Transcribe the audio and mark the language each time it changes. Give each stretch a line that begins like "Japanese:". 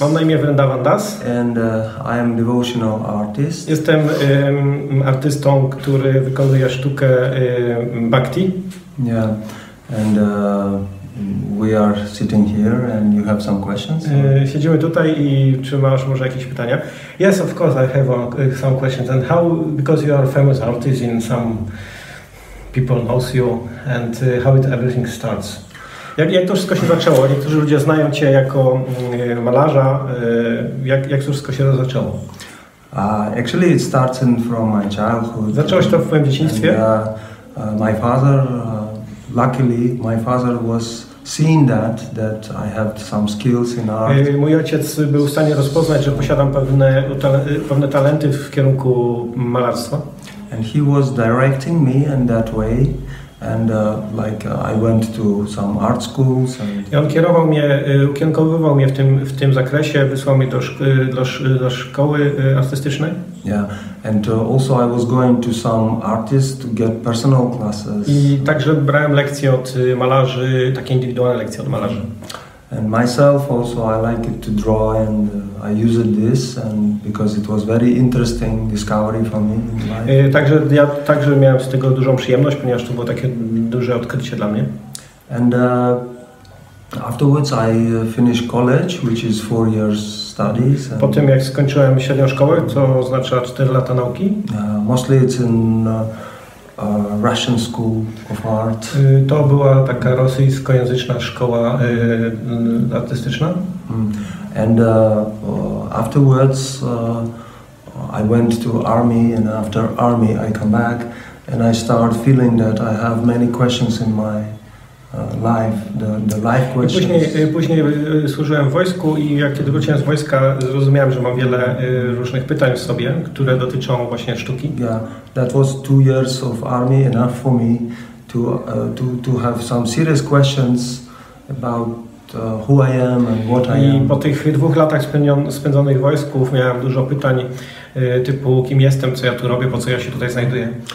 Polish: Mam na imię Vrindavan Das.
English: And I am devotional artist.
Polish: Jestem artystą, który wykonuje sztukę bhakti.
English: Yeah, and we are sitting here and you have some questions?
Polish: Siedzimy tutaj i czy masz może jakieś pytania?
English: Yes, of course I have some questions. And how, because you are a famous artist and some people knows you, and how it everything starts?
Polish: Jak to wszystko się zaczęło? Niektórzy ludzie znają cię jako malarza. Jak to wszystko się to zaczęło?
English: Actually it starts in from my childhood.
Polish: Zaczęło się to w moim dzieciństwie?
English: My father, luckily my father was seeing that I have some skills in art.
Polish: Mój ojciec był w stanie rozpoznać, że posiadam pewne talenty w kierunku malarstwa.
English: And he was directing me in that way. And I went to some art schools. And
Polish: I on kierował mnie, ukierunkowywał mnie w tym zakresie, wysłał mnie do szkoły artystycznej.
English: Yeah, and also I was going to some artists to get personal classes.
Polish: I także brałem lekcje od malarzy, takie indywidualne lekcje od malarzy.
English: And myself also I like it to draw and I use it this and because it was very interesting discovery for me in life.
Polish: Także miałem z tego dużą przyjemność, ponieważ to było takie duże odkrycie dla mnie.
English: And afterwards I finished college, which is 4 years studies.
Polish: Po tym jak skończyłem średnią szkołę, co oznacza 4 lata nauki.
English: Mostly it's in Russian School of Art.
Polish: To była taka rosyjskojęzyczna szkoła artystyczna.
English: And afterwards I went to army, and after army I come back and I start feeling that I have many questions in my life, the life questions.
Polish: Później służyłem w wojsku i jak kiedy wróciłem z wojska, zrozumiałem, że mam wiele różnych pytań w sobie, które dotyczą właśnie sztuki.
English: Yeah, that was 2 years of army, enough for me to have some serious questions about who I am and what I am.
Polish: I po tych 2 latach spędzonych w wojsku miałem dużo pytań typu kim jestem, co ja tu robię, po co ja się tutaj znajduję.